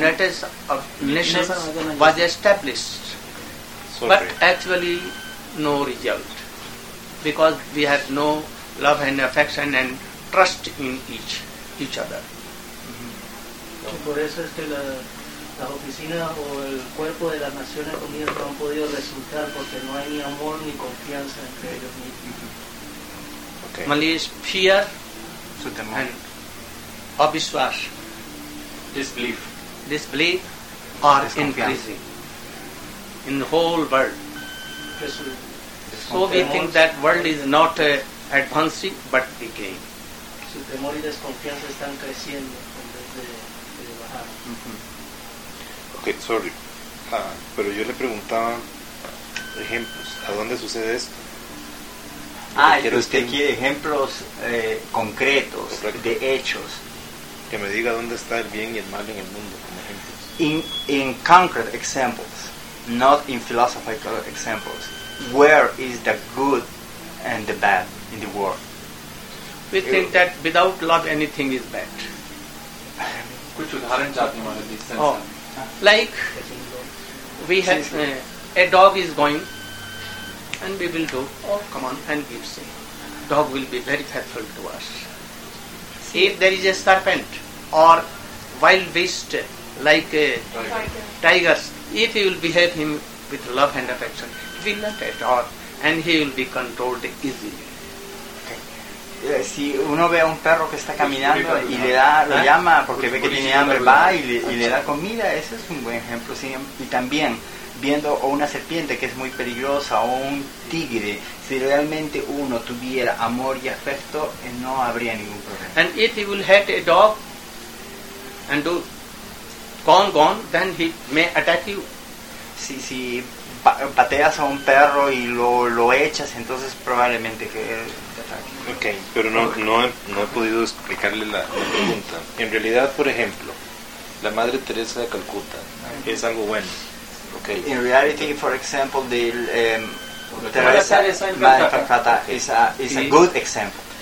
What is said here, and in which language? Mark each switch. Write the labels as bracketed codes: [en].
[en] That is of nations was established, so but great. Actually no result, because we have no love and affection and trust in each other. [es] Por eso es que la oficina o el cuerpo de las Naciones Unidas no han podido resultar porque no hay ni amor ni confianza entre ellos mismos. [en] Okay. Mali is fear, so and abhishwas, disbelief are increasing in the whole world. So we think that world is not advancing but decaying. [es] Su temor y desconfianza están creciendo en vez de bajar. Mm-hmm. Okay, sorry, pero yo le preguntaba ejemplos. ¿A dónde sucede esto? Pero usted quiere ejemplos concretos, correcto, de hechos. Que me diga dónde está el bien y el mal en el mundo, como ejemplos. [en] In concrete examples, not in philosophical examples. Where is the good and the bad in the world? We think that without love anything is bad. [hi] Kuch udharan chahte hain maine [en] is sense. Oh, like we have a dog is going. And we will do, oh, come on, and give say. Dog will be very faithful to us. If there is a serpent or wild beast like a tiger, if you will behave him with love and affection, he will not at all, and he will be controlled easily. [es] Si uno ve a un perro que está caminando y le da, lo llama porque ve que tiene hambre, va y le da comida, ese es un buen ejemplo. Sí, y también viendo a una serpiente que es muy peligrosa o un tigre, si realmente uno tuviera amor y afecto, no habría ningún problema. [en] And if he will hurt a dog and do gone, then he may attack you. [es] Si pateas a un perro y lo echas, entonces probablemente que él te ataque. Okay, pero no he podido explicarle la pregunta. En realidad, por ejemplo, la Madre Teresa de Calcuta es algo bueno. [en] Okay. In reality, for example, the Teresa Madre Calcuta is a good example.